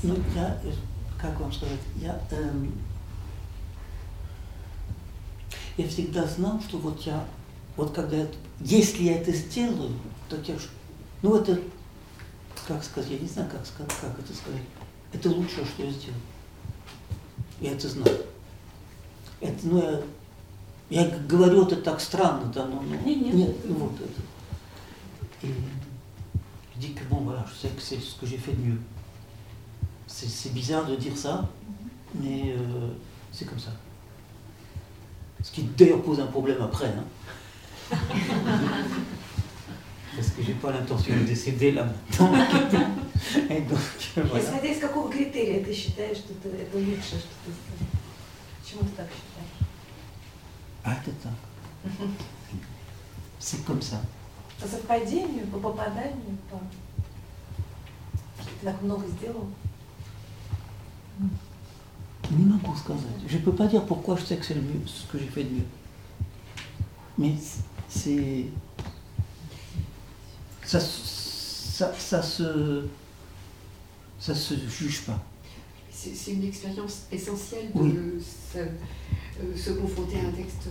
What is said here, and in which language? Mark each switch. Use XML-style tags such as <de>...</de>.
<ru>Ну, я, как вам сказать, я всегда знал, что вот я, вот когда, если я это сделаю, то я ж, ну это, как сказать, я не знаю, как это сказать, это лучшее, что я сделал. Я это знал. Это, ну я говорю это так странно, да, но нет. Вот это. И дико,</ru> <fr>bon, voilà, je sais que c'est ce que j'ai fait de mieux. C'est bizarre de dire ça, mais c'est comme ça. Ce qui d'ailleurs pose un problème après, hein. Parce que j'ai pas l'intention de décéder là maintenant. Et donc, voilà. Et ça dépend de quel critère tu estimes que c'est le mieux que tu fais. Pourquoi tu estimes? C'est comme ça.</fr> <ru>По совпадению, по попаданию, ты так много сделал? Не могу сказать.</ru> <fr>Je peux pas dire pourquoi je sais que c'est le mieux, ce que j'ai fait de mieux. Mais c'est... Ça se juge pas. C'est une expérience essentielle de se confronter à un texte.</fr>